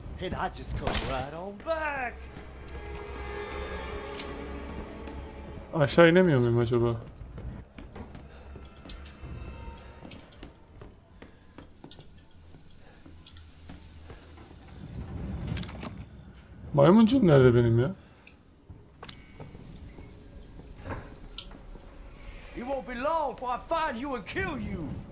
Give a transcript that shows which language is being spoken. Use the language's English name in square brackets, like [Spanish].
[English] And I just come right on back. [Turkish] Aşağı inemiyor muyum acaba? Maymuncuğum nerede benim ya? [English] It won't be long before I find you and kill you.